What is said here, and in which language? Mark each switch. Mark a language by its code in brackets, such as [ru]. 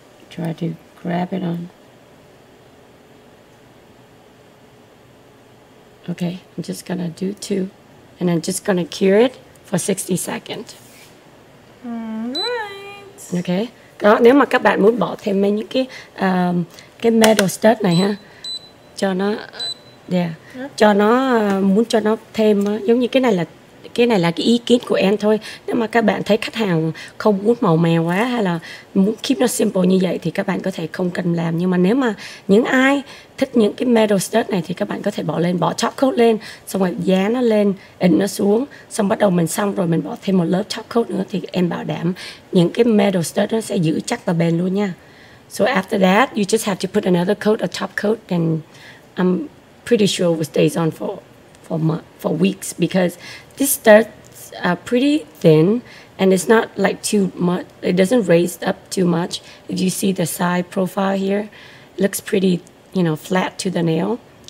[en] Try to grab it on. Okay, I'm just gonna do two and I'm just gonna cure it for 60 seconds. Alright. [vi] Okay, đó, nếu mà các bạn muốn bỏ thêm mấy những cái metal stud này ha, cho nó, yeah, cho nó, muốn cho nó thêm, giống như cái này là cái ý kiến của em thôi. Nếu mà các bạn thấy khách hàng không muốn màu mè quá hay là muốn keep nó simple như vậy thì các bạn có thể không cần làm. Nhưng mà nếu mà những ai thích những cái metal stud này thì các bạn có thể bỏ lên, bỏ top coat lên, xong rồi dán nó lên, ấn nó xuống, xong bắt đầu mình xong rồi mình bỏ thêm một lớp top coat nữa thì em bảo đảm những cái metal stud nó sẽ giữ chắc và bền luôn nha. [en] So after that, you just have to put another coat, a top coat, and I'm pretty sure it stays on for weeks, because this starts pretty thin, and it's not like too much. It doesn't raise up too much. If you see the side profile here, it looks pretty, you know, flat to the nail.